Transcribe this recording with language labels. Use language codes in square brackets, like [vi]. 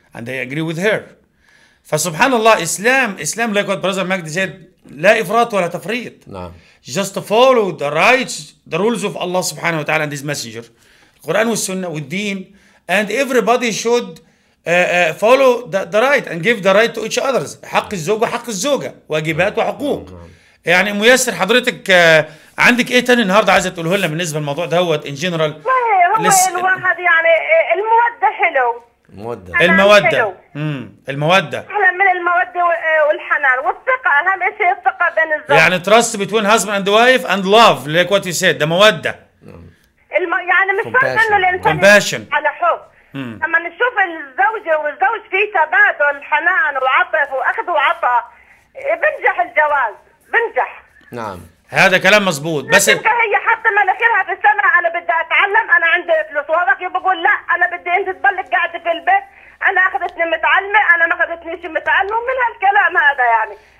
[en] And they agree with her. فسبحانallah, Islam, like what Brother Magdi said, [ar] لا إفراط ولا تفريط. [en] Just to follow the rights, the rules of Allah subhanahu wa ta'ala and his messenger. Quran and Sunnah and Deen. And everybody should follow the right and give the right to each other. [ar] حق الزوجة حق الزوجة واجبات وحقوق. يعني أم ياسر حضرتك عندك ايه تاني النهاردة عايزة تقوله لنا بالنسبة للموضوع دهوت [en] in general. [ar] الواحد يعني المودة حلو. المودة. المودة. المودة. أهلا من المودة والحنان والثقة أهم شيء الثقة بين الزوج. [en] يعني trust between husband and wife and love like what you said the مودة. [ar] يعني مش [en] compassion [ar] على حب. لما نشوف الزوجة والزوج في تبادل حنان وعطف واخذ وعطاء بنجح الجواز بنجح. نعم هذا كلام مزبوط. بس هي حاطه مناخيرها في السماء، انا بدي اتعلم، انا عندي فلوس، وهذاك بقول لا انا بدي انت تضلك قاعده في البيت، انا اخذتني متعلمه، انا ما اخذتني شيء متعلمه من هالكلام هذا يعني.